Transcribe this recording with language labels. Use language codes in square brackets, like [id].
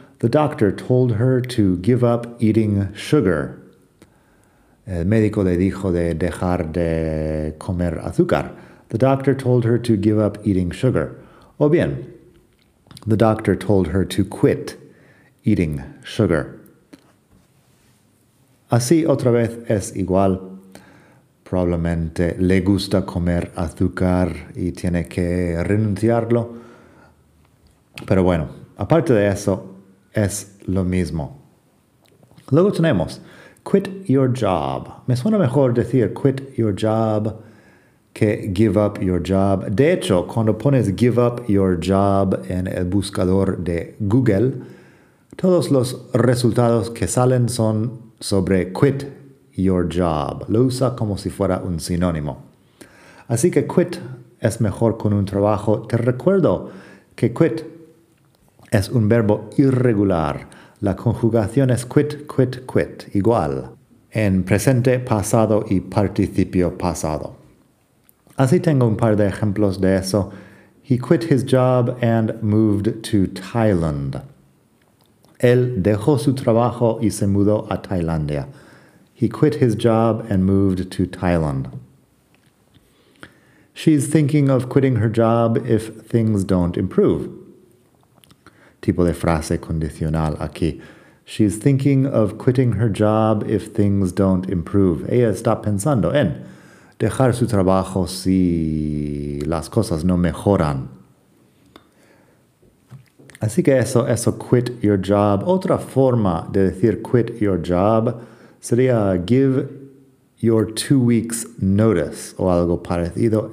[en] The doctor told her to give up eating sugar. [es] El médico le dijo de dejar de comer azúcar. [en] The doctor told her to give up eating sugar. [es] O bien, [en] the doctor told her to quit eating sugar. [es] Así, otra vez, es igual. Probablemente le gusta comer azúcar y tiene que renunciarlo. Pero bueno, aparte de eso, es lo mismo. Luego tenemos [en] quit your job. [es] Me suena mejor decir quit your job que give up your job. De hecho, cuando pones [en] give up your job [es] en el buscador de Google, todos los resultados que salen son sobre quit your job. Lo usa como si fuera un sinónimo. Así que quit es mejor con un trabajo. Te recuerdo que quit es un verbo irregular. La conjugación es quit, quit, quit, igual en presente, pasado y participio pasado. Así tengo un par de ejemplos de eso. [en] He quit his job and moved to Thailand. [es] Él dejó su trabajo y se mudó a Tailandia. [en] He quit his job and moved to Thailand. She's thinking of quitting her job if things don't improve. [es] Tipo de frase condicional aquí. [en] She's thinking of quitting her job if things don't improve. [es] Ella está pensando en dejar su trabajo si las cosas no mejoran. Así que eso, quit your job. Otra forma de decir quit your job sería [en] give your 2 weeks notice [es] o algo parecido.